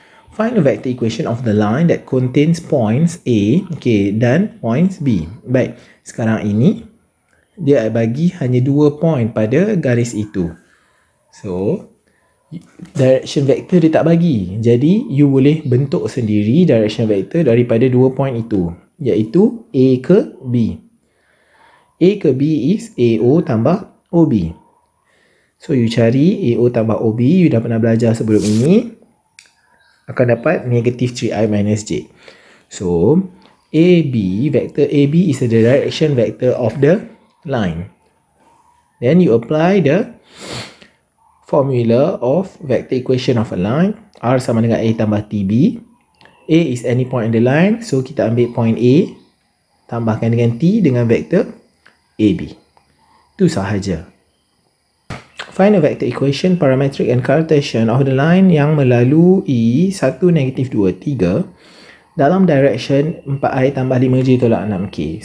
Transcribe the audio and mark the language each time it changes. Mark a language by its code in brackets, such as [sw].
[en] Find the vector equation of the line that contains points A, okay, dan points B. [ms] Baik, sekarang ini dia bagi hanya dua point pada garis itu. So, direction vector dia tak bagi. Jadi, you boleh bentuk sendiri direction vector daripada dua point itu. Iaitu A ke B. A ke B is AO tambah OB. So you cari AO tambah OB, you dah pernah belajar sebelum ini, akan dapat [en] negative 3i minus j. So AB, vector AB is the direction vector of the line. Then you apply the formula of vector equation of a line. [ms] R sama dengan A tambah TB. [en] A is any point in the line. [ms] So kita ambil point A, tambahkan dengan T dengan vector AB. Itu sahaja. [en] Find a vector equation, parametric and Cartesian of the line yang melalui 1, negative 2, 3 dalam direction 4i tambah 5j tolak 6k.